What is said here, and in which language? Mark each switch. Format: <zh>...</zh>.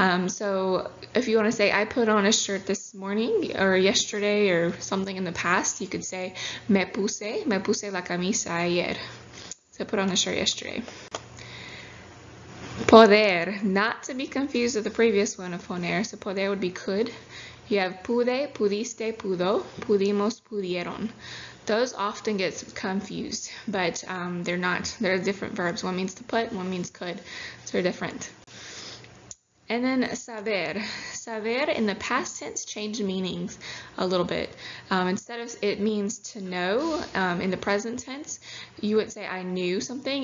<en>So if you want to say, I put on a shirt this morning or yesterday or something in the past, you could say</en> <es>me puse la camisa ayer.</es> <en>So put on a shirt yesterday. Poder, not to be confused with the previous one of poner. So poder would be could. You have</en> <es>pude, pudiste, pudo, pudimos, pudieron.</es> <en>Those often get confused, but they're not. They're different verbs. One means to put, one means could. So they're different. And then saber. Saber in the past tense changed meanings a little bit. Instead of it means to know in the present tense, you would say I knew something.</en>